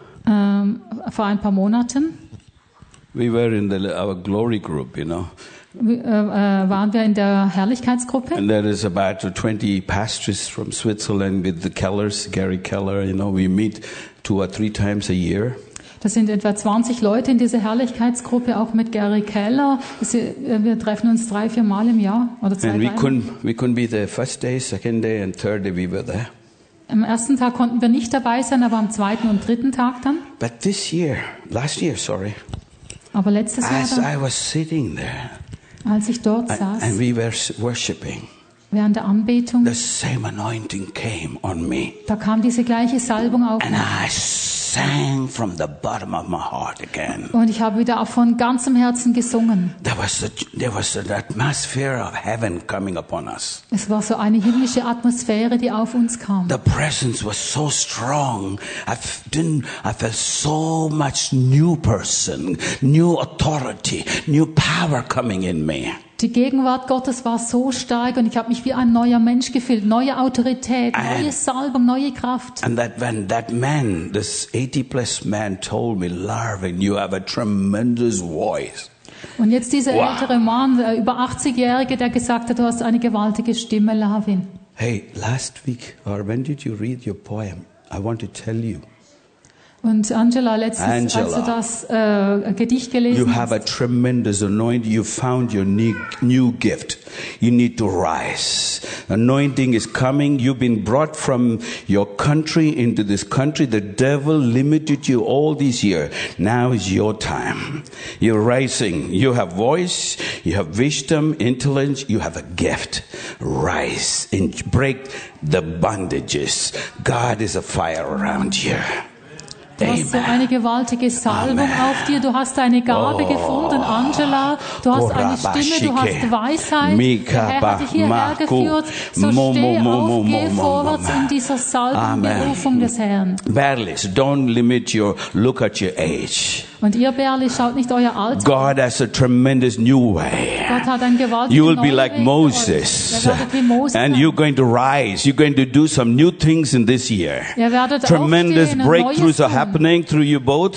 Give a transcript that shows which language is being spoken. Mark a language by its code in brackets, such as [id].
[de] vor ein paar Monaten. [en] We were in our glory group, you know. [de] Waren wir in der Herrlichkeitsgruppe? [en] And there is about 20 pastors from Switzerland with the Kellers, Gary Keller. You know, we meet 2 or 3 times a year. [de] Das sind etwa 20 Leute in dieser Herrlichkeitsgruppe, auch mit Gary Keller. Wir treffen uns 3-4 Mal im Jahr oder 2. [en] And we couldn't be the first day, second day, and third day we were there. [de] Am ersten Tag konnten wir nicht dabei sein, aber am zweiten und dritten Tag dann. [en] But this year, last year, sorry. [de] Aber letztes Jahr. [en] As I was sitting there. [de] Als ich dort saß. [en] And we were worshiping. [de] Während der Anbetung. [en] The same anointing came on me. [de] Da kam diese gleiche Salbung auf mich. [en] And I sang from the bottom of my heart again. [de] Und ich habe wieder von ganzem Herzen gesungen. [en] There was an atmosphere of heaven coming upon us. [de] Es war so eine himmlische Atmosphäre, die auf uns kam. [en] The presence was so strong. I felt so much new person, new authority, new power coming in me. [de] Die Gegenwart Gottes war so stark und ich habe mich wie ein neuer Mensch gefühlt, neue Autorität, neue Salbung, neue Kraft. [en] And that when that man, this 80-plus man told me, Larvin, you have a tremendous voice. [de] Und jetzt dieser ältere Mann, der über 80-Jährige, der gesagt hat, du hast eine gewaltige Stimme, Larvin. [en] Hey, last week, or when did you read your poem? I want to tell you. [de] Und Angela, letztens, als du das Gedicht gelesen hast. [en] You have a tremendous anointing. You found your new gift. You need to rise. Anointing is coming. You've been brought from your country into this country. The devil limited you all these years. Now is your time. You're rising. You have voice. You have wisdom, intelligence. You have a gift. Rise and break the bondages. God is a fire around you. [de] Du hast so eine gewaltige Salbung Amen. Auf dir. Du hast deine Gabe oh. gefunden, Angela. Du hast eine Stimme, du hast Weisheit. Der Herr hat dich hierher geführt. So steh auf, geh vorwärts in dieser Salbung-Berufung des Herrn. [en] Berlis, don't limit your look at your age. [de] Und ihr Berlis, schaut nicht euer Alter. [en] God has a tremendous new way. [de] Gott hat einen gewaltigen [en] You will be like Moses. And you're going to rise. You're going to do some new things in this year. [de] Ihr werdet [en] tremendous breakthroughs are happening through you both.